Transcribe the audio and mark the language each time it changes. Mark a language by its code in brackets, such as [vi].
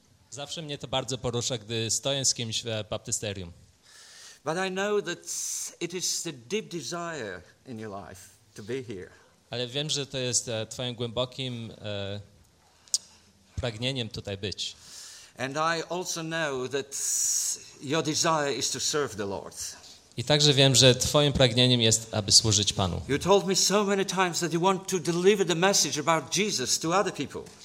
[pl] Zawsze mnie to bardzo porusza, gdy stoję z kimś w baptysterium. [en] But I know that it is the deep desire in your life to be here. [pl] Ale wiem, że to jest twoim głębokim pragnieniem tutaj być. [en] And I also know that your desire is to serve the Lord. [pl] I także wiem, że twoim pragnieniem jest, aby służyć Panu. [en] You told me so many times that you want to deliver the message about Jesus to other people.